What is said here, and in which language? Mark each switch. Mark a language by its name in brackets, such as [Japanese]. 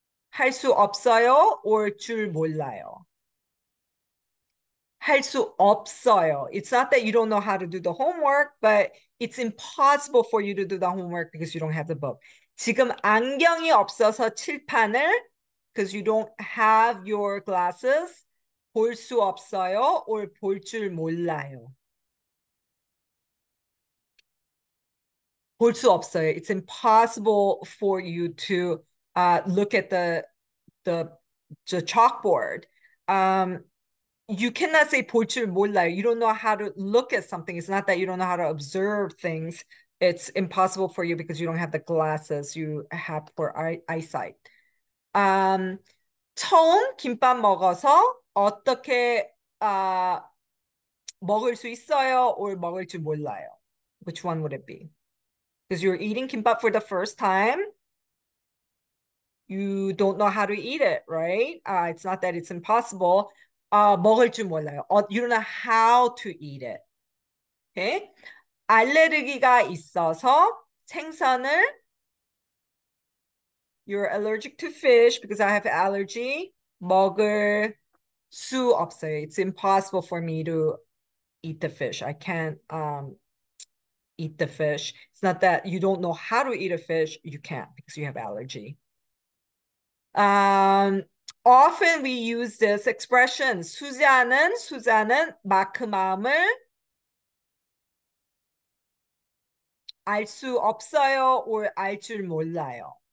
[Korean] 할 수 없어요, or 줄 몰라요? 할 수 없어요. [English] It's not that you don't know how to do the homework, but it's impossible for you to do the homework because you don't have the book. [Korean] 지금 안경이 없어서 칠판을, [English] because you don't have your glasses, [Korean] 볼수 없어요, or 볼줄 몰라요. 볼수 없어요. [English] It's impossible for you to look at the chalkboard. You cannot say [Korean] 볼줄 몰라요. [English] You don't know how to look at something. It's not that you don't know how to observe things. It's impossible for you because you don't have the glasses you have for eyesight. [Korean] 처음 김밥 먹어서 어떻게 먹을 수 있어요? [English] Or [Korean] 먹을 줄 몰라요? [English] Which one would it be? Because you're eating kimbap for the first time, you don't know how to eat it, right? It's not that it's impossible. [Korean] 먹을 줄 몰라요. [English] You don't know how to eat it. Okay? [Korean] 알레르기가 있어서 생선을. [English] You're allergic to fish because I have allergy. [Korean] 먹을 수 없어요. [English] It's impossible for me to eat the fish. I can't. Eat the fish. It's not that you don't know how to eat a fish. You can't because you have allergy. Often we use this expression, [Korean] 수자는 마크 마음을 알수 없어요 or 알줄 몰라요.